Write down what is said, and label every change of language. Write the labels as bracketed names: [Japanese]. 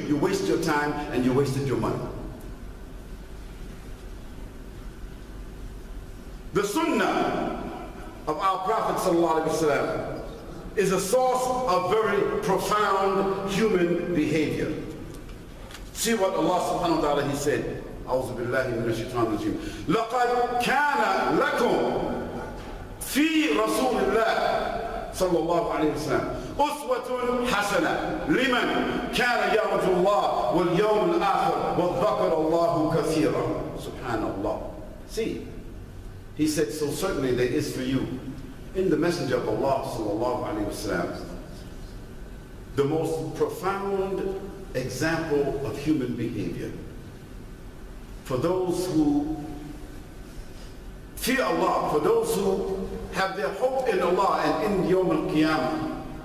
[English] You waste your time and you wasted your money. The Sunnah of our Prophet ﷺ is a source of very profound human behavior. See what Allah subhanahu wa ta'ala, he said. [Arabic] أعوذ بالله من الشيطان الرجيم. لقد كان لكم في رسول الله صلى الله عليه وسلم أسوة حسنة لمن كان يرجو الله واليوم الآخر وذكر الله كثيرا. سبحان الله. [English] See, he said, so certainly there is for you in the Messenger of Allah صلى الله عليه وسلم the most profound example of human behavior. For those who fear Allah, for those who have their hope in Allah and in Yawm al-Qiyamah.